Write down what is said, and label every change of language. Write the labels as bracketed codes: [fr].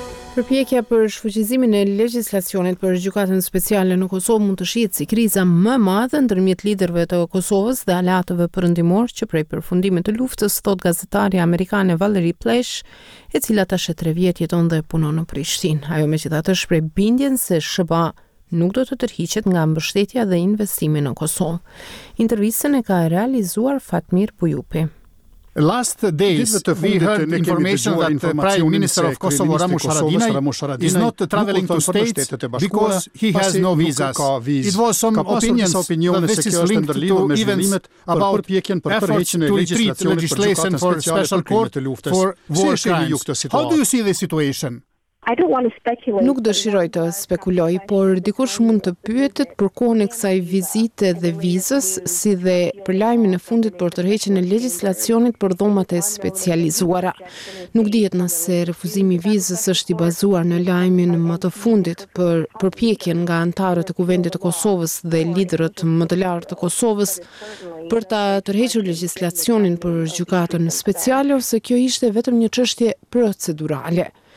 [sq] Përpjekja për shfuqizimin e legjislacionit për gjykatën speciale në Kosovë mund të shihet si kriza më e madhe ndërmjet liderëve të Kosovës dhe alatëve perëndimor që prej përfundimit të luftës, thot gazetarja amerikane Valerie Plesh, e cila tash 3 vjet jeton dhe punon në Prishtinë. Ajo megjithatë shpreh bindjen se SBA nuk do të tërhiqet nga mbështetja dhe investimi në Kosovë. Intervistën e ka realizuar Fatmir Bujupi. [en] Last days, we heard information that the Prime Minister of Kosovo, Ramush Haradinaj, is not traveling to states because he has no visas. It was some opinions that this is linked to events about efforts to retreat legislation for special court for war crimes. How do you see the situation? I don't want to speculate. [sq] Nuk dëshiroj të spekuloj, por dikush mund të pyetet për kohën e kësaj vizite dhe vizës, si dhe për lajmin e fundit për tërheqjen e legjislacionit për dhomat e specializuara. Nuk dihet nëse refuzimi i vizës është i bazuar në lajmin më të fundit për përpjekjen nga anëtarët e Kuvendit të Kosovës dhe liderët më të lartë të Kosovës për ta tërhequr legjislacionin për gjykatën speciale ose kjo ishte vetëm një çështje procedurale.